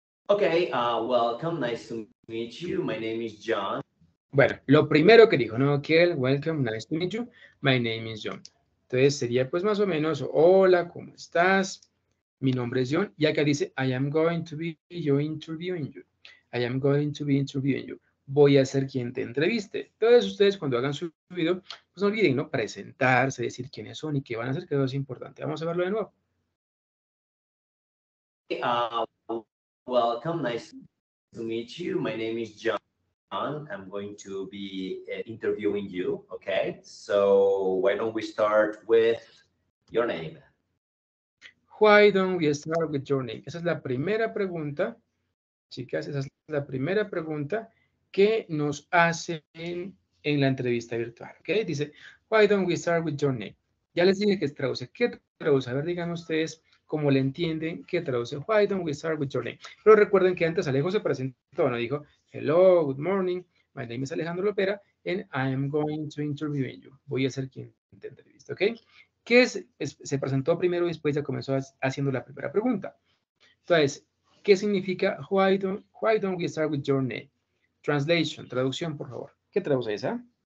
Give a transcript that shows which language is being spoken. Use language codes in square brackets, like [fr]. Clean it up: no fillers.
[en] Okay. Welcome. Nice to meet you. My name is John. [es] Bueno, lo primero que dijo, ¿no? [en] Kiel, welcome, nice to meet you. My name is John. [es] Entonces sería pues más o menos, hola, ¿cómo estás? Mi nombre es John. Y acá dice, [en] I am going to be you interviewing you. I am going to be interviewing you. [es] Voy a ser quien te entreviste. Entonces ustedes cuando hagan su video, pues no olviden, ¿no? Presentarse, decir quiénes son y qué van a hacer, que eso es importante. Vamos a verlo de nuevo. [en] Welcome, nice to meet you. My name is John. I'm going to be interviewing you, okay? So why don't we start with your name? Why don't we start with your name? [es] Esa es la primera pregunta, chicas, esa es la primera pregunta que nos hacen en la entrevista virtual, ¿ok? [en] Dice, why don't we start with your name? [es] Ya les dije que traduce, ¿qué traduce? A ver, digan ustedes cómo le entienden, ¿qué traduce? [en] Why don't we start with your name? [es] Pero recuerden que antes Alejo se presentó, ¿no? [en] Dijo, hello, good morning, my name is Alejandro Lopera, and I am going to interview you. [es] Voy a ser quien te entrevista, ¿ok? ¿Qué es? Se presentó primero y después ya comenzó haciendo la primera pregunta. Entonces, ¿qué significa [en] why don't we start with your name? [es] Translation, traducción, por favor. ¿Qué traduce esa?